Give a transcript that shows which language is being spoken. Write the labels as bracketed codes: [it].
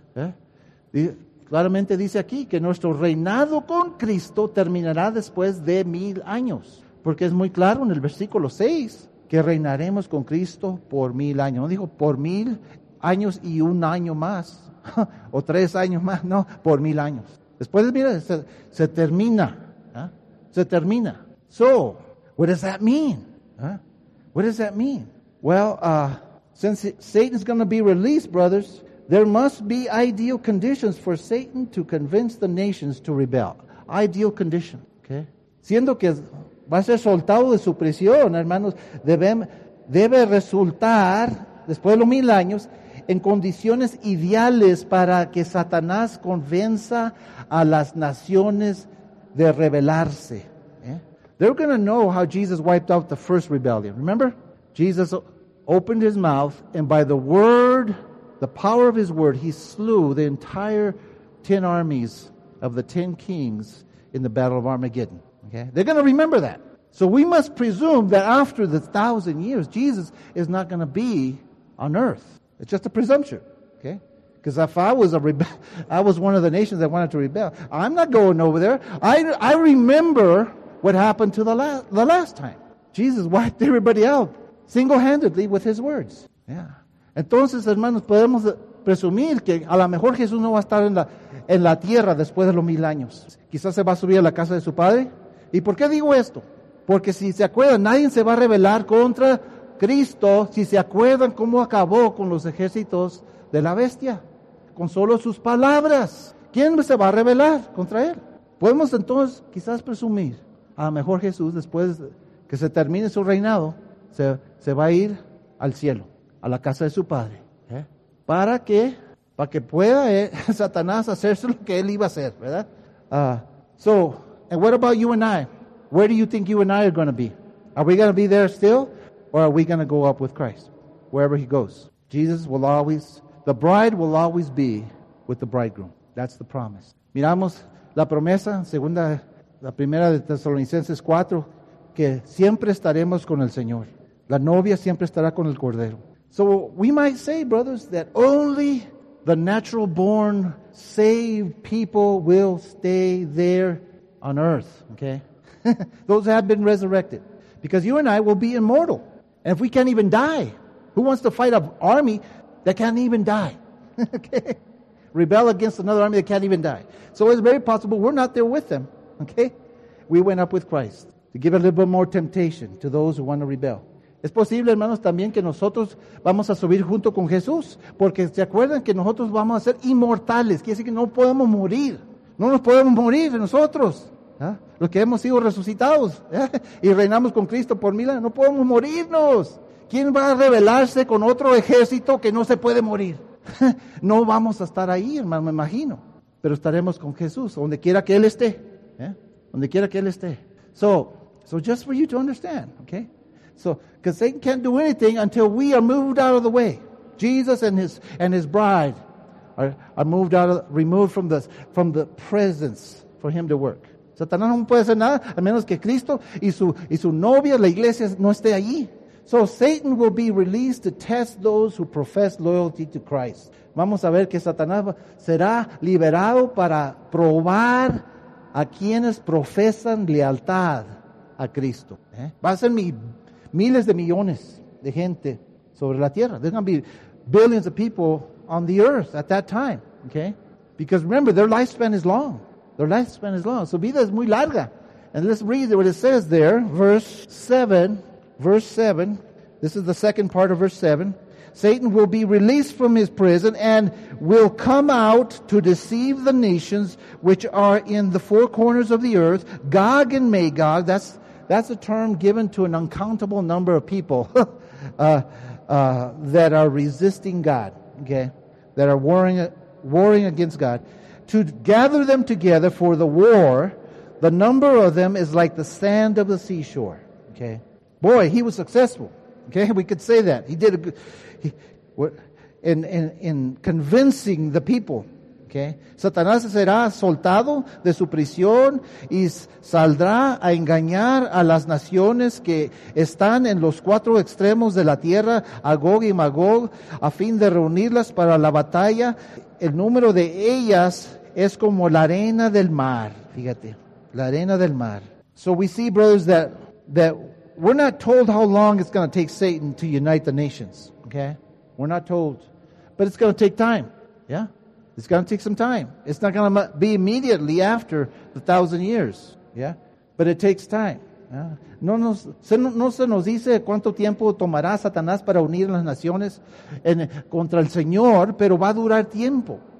[en] Yeah? [es] Claramente dice aquí que nuestro reinado con Cristo terminará después de 1,000 años. Porque es muy claro en el versículo 6 que reinaremos con Cristo por 1,000 años. No dijo por 1,000 años y un año más, o 3 años más, no, por 1,000 años. Después, mira, se termina, ¿eh? Se termina. [en] So, what does that mean? ¿Eh? What does that mean? Well, since Satan is going to be released, brothers, there must be ideal conditions for Satan to convince the nations to rebel. Ideal condition, okay? [es] Siendo que va a ser soltado de su prisión, hermanos, debe resultar, después de los 1,000 años, en condiciones ideales para que Satanás convenza a las naciones de rebelarse. ¿Eh? [en] They're going to know how Jesus wiped out the first rebellion. Remember? Jesus opened his mouth, and by the word, the power of his word, he slew the entire 10 armies of the 10 kings in the Battle of Armageddon. Okay? They're going to remember that. So we must presume that after the 1,000 years, Jesus is not going to be on earth. It's just a presumption, okay? Because if I was a rebel, I was one of the nations that wanted to rebel. I'm not going over there. I remember what happened to the last time. Jesus wiped everybody out single-handedly with his words. Yeah. [es] Entonces, hermanos, podemos presumir que a lo mejor Jesús no va a estar en la tierra después de los 1,000 años. Quizás se va a subir a la casa de su padre. ¿Y por qué digo esto? Porque si se acuerdan, nadie se va a rebelar contra Cristo, si se acuerdan cómo acabó con los ejércitos de la bestia, con solo sus palabras, ¿quién se va a rebelar contra él? Podemos entonces quizás presumir, a lo mejor Jesús, después que se termine su reinado, se va a ir al cielo, a la casa de su padre. ¿Eh? ¿Para qué? Para que pueda Satanás hacerse lo que él iba a hacer, ¿verdad? [en] And what about you and I? Where do you think you and I are going to be? Are we going to be there still? Or are we going to go up with Christ, wherever he goes? Jesus will always, the bride will always be with the bridegroom. That's the promise. [es] Miramos la promesa, la primera de Tesalonicenses 4, que siempre estaremos con el Señor. La novia siempre estará con el Cordero. [en] So we might say, brothers, that only the natural born saved people will stay there on earth, okay? Those have been resurrected. Because you and I will be immortal. And if we can't even die, who wants to fight an army that can't even die? Okay? Rebel against another army that can't even die. So it's very possible we're not there with them. Okay? We went up with Christ to give a little bit more temptation to those who want to rebel. [es] Es posible, hermanos, también que nosotros vamos a subir junto con Jesús. Porque se acuerdan que nosotros vamos a ser inmortales. Quiere decir que no podemos morir. No nos podemos morir nosotros. ¿Ah? Los que hemos sido resucitados, ¿eh? Y reinamos con Cristo por 1,000 años, no podemos morirnos. ¿Quién va a rebelarse con otro ejército que no se puede morir? No vamos a estar ahí, hermano, me imagino. Pero estaremos con Jesús, donde quiera que Él esté. [en] ¿Eh? [es] Donde quiera que Él esté. [en] So just for you to understand, okay? So, because Satan can't do anything until we are moved out of the way. Jesus and his bride are moved out of, removed from the presence for Him to work. [es] Satanás no puede hacer nada a menos que Cristo y su novia, la iglesia, no esté allí. [en] So Satan will be released to test those who profess loyalty to Christ. [es] Vamos a ver que Satanás será liberado para probar a quienes profesan lealtad a Cristo. ¿Eh? Va a ser miles de millones de gente sobre la tierra. [en] There's going to be billions of people on the earth at that time. Okay? Because remember, their lifespan is long. Their lifespan is long. [es] Su vida es muy larga. [en] And let's read what it says there. Verse 7. This is the second part of verse 7. Satan will be released from his prison and will come out to deceive the nations which are in the four corners of the earth, Gog and Magog. That's a term given to an uncountable number of people that are resisting God, okay, that are warring against God, to gather them together for the war, the number of them is like the sand of the seashore. Okay, boy, he was successful. Okay, we could say that he did a good in convincing the people. [es] Okay, Satanás será soltado de su prisión y saldrá a engañar a las naciones que están en los cuatro extremos de la tierra, Gog y Magog, a fin de reunirlas para la batalla. El número de ellas es como la arena del mar. Fíjate, la arena del mar. [en] So we see, brothers, that we're not told how long it's going to take Satan to unite the nations. Okay, we're not told, but it's going to take time. Yeah. It's going to take some time. It's not going to be immediately after the 1,000 years. Yeah? But it takes time. Yeah? [es] No se nos dice cuánto tiempo tomará Satanás para unir las naciones contra el Señor, pero va a durar tiempo.